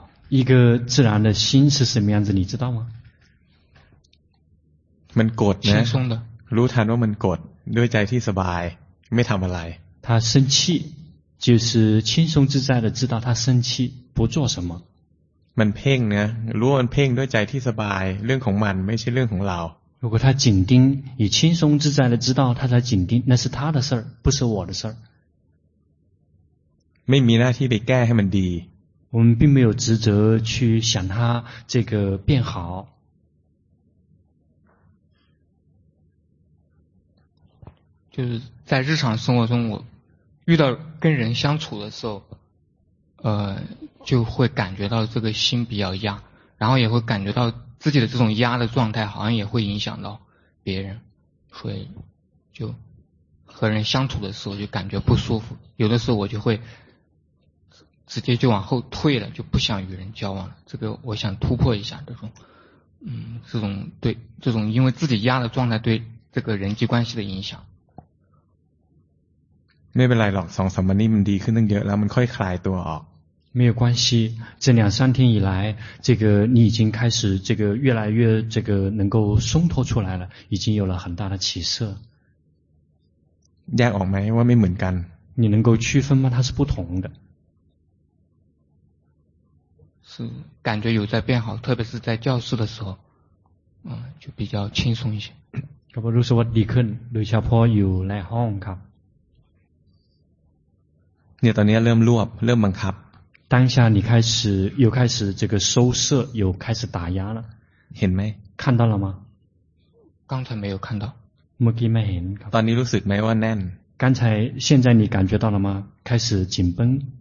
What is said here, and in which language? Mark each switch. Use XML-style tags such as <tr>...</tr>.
<zh>一个自然的心是什么样子你知道吗</zh> <th>มันกดนะ</th> <zh>轻松的</zh> <th>รู้ทันว่ามันกดด้วยใจที่สบายไม่ทำอะไร</th> <zh>他生气就是轻松自在的知道他生气不做什么</zh> <th>มันเพ่งนะรู้มันเพ่งด้วยใจที่สบายเรื่องของมันไม่ใช่เรื่องของเรา</th> <zh>如果他紧盯也轻松自在的知道他在紧盯那是他的事儿不是我的事儿</zh> <th>ไม่มีหน้าที่ไปแก้ให้มันดี</th> <zh>我们并没有职责去想他这个变好就是在日常生活中我遇到跟人相处的时候就会感觉到这个心比较压然后也会感觉到自己的这种压的状态好像也会影响到别人所以就和人相处的时候就感觉不舒服有的时候我就会直接就往后退了就不想与人交往了这个我想突破一下这种对这种因为自己压的状态对这个人际关系的影响</zh> <th>ไม่เป็นไรหรอกสองสามวันนี้มันดีขึ้นตั้งเยอะแล้วมันค่อยคลายตัวออก</th> <zh>没有关系这两三天以来这个你已经开始这个越来越这个能够松脱出来了已经有了很大的起色</zh> <th>แยกออกไหมว่าไม่เหมือนกัน</th> <zh>你能够区分吗它是不同的是感觉有在变好特别是在教室的时候就比较轻松一些</zh> <th>ก็รู้สึกว่าดีขึ้นโดยเฉพาะอยู่ในห้องครับ เนี่ยตอนนี้เริ่มรวบเริ่มบังคับ</th> <zh>当下你开始又开始这个收摄又开始打压了</zh> <th>เห็นไหม</th> <zh>看到了吗刚才没有看到</zh> <th>เมื่อกี้ไม่เห็นครับ ตอนนี้รู้สึกไหมว่าแน่น</th> <zh>刚才现在你感觉到了吗开始紧绷</zh>